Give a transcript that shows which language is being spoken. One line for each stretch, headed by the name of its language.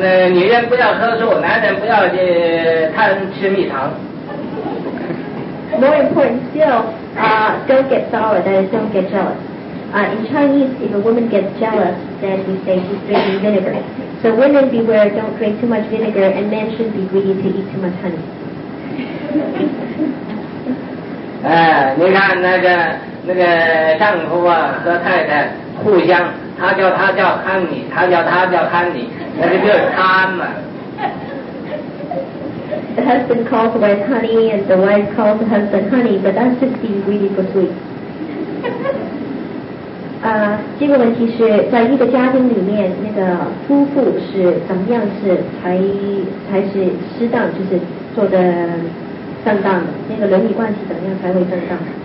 Chinese: 女人不要喝醋，男人不要贪吃蜜糖。
English: More important still, don't get sour, that is, don't get jealous. In Chinese, if a woman gets jealous, then we say she's drinking vinegar. So women beware, don't drink too much vinegar, and men shouldn't be greedy to eat too much honey.
Chinese: 你看那个丈夫啊和太太互相，他叫他叫看你，他叫他叫看你，那个就是贪嘛。
English: The husband calls the wife honey, and the wife calls the husband honey, but that's just being greedy for sweet.
Chinese: 这个问题是在一个家庭里面，那个夫妇是怎么样是才是适当，就是做的正当的，那个伦理关系怎么样才会正当？